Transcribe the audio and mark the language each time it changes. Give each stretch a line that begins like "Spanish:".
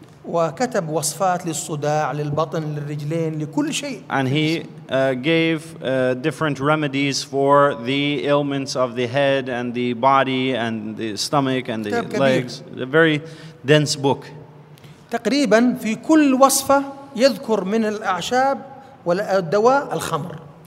Arabic: وكتب وصفات للصداع للبطن للرجلين لكل شيء.
English: And he gave different remedies for the ailments of the head and the body and the stomach and the legs. A very dense book.
Arabic: تقريبا في كل وصفة يذكر من الأعشاب والدواء الخمر.